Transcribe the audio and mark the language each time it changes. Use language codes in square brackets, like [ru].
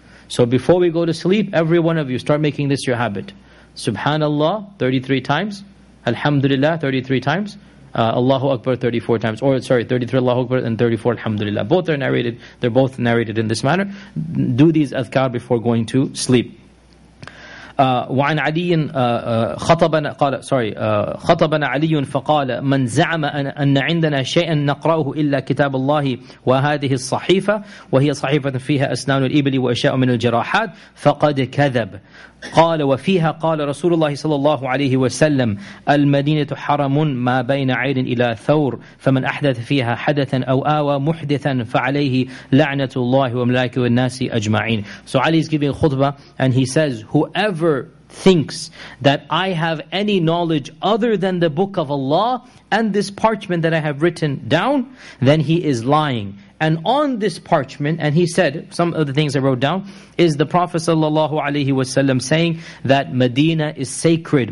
[en] So before we go to sleep, every one of you start making this your habit. Subhanallah 33 times, Alhamdulillah 33 times, Allahu Akbar 34 times, or sorry, 33 Allahu Akbar and 34 Alhamdulillah. Both are narrated, they're both narrated in this manner. Do these adhkar before going to sleep. [ar] وعن علي خطبنا قال سوري خطبنا علي فقال من زعم أن عندنا شيئا نقرأه إلا كتاب الله وهذه الصحيفة وهي صحيفة فيها أسنان الإبل وأشياء من الجراحات فقد كذب قال وفيها قال رسول الله صلى الله عليه وسلم المدينة حرم ما بين عين إلى ثور فمن أحدث فيها حدثا أو آوى محدثا فعليه لعنة الله وملائكته والناس أجمعين. [en] So Ali is giving khutbah and he says, whoever thinks that I have any knowledge other than the book of Allah and this parchment that I have written down, then he is lying. And on this parchment, and he said, some of the things I wrote down, is the Prophet sallallahu alaihi wasallam saying that Medina is sacred.